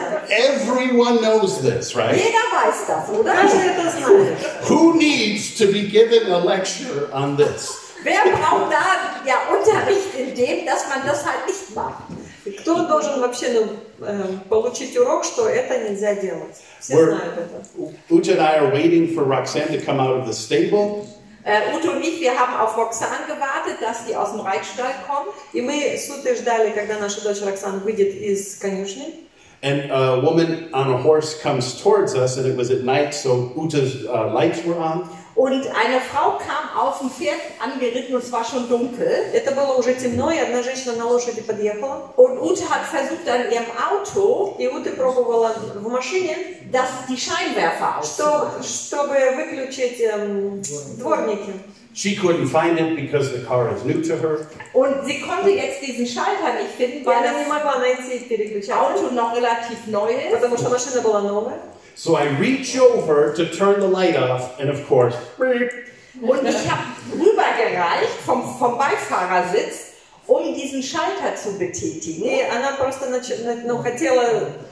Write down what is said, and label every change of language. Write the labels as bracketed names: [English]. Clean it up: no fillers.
[English] Everyone knows this, right? [German] Jeder weiß das, oder? [Russian] Каждый это знает. [English] Who needs to be given a lecture on this? [German] Wer braucht da ja Unterricht in dem, dass man das halt nicht macht? [Russian] Кто должен вообще получить урок, что это нельзя делать? Все знают это. [English] Uta and I are waiting for Roxanne to come out of the stable. [German] Uta und ich, wir haben auf Roxanne gewartet, dass sie aus dem Reitstall kommt. [Russian] И мы с Утой ждали, когда наша дочь Roxanne выйдет из конюшни. [English] And a woman on a horse comes towards us, and it was at night, so Uta's lights were on. [German] Und eine Frau kam auf dem Pferd angeritten, und es war schon dunkel. [Russian] Это было уже темно, и одна женщина на лошади подъехала. [German] Und Uta hat versucht an ihrem Auto, [Russian] и Ута пробовала в машине, [German] dass die Scheinwerfer auszumachen. [Russian] Чтобы выключить дворники. [English] She couldn't find it because the car is new to her. [German] Und sie konnte jetzt diesen Schalter nicht finden, weil das Auto noch relativ neu ist. [Russian] Потому что машина была новая. [English] So I reach over to turn the light off, and of course, beep. [German] Und ich habe rübergereicht vom Beifahrersitz, diesen Schalter zu betätigen. Nee, [Russian] она просто [German] noch [Russian] хотела.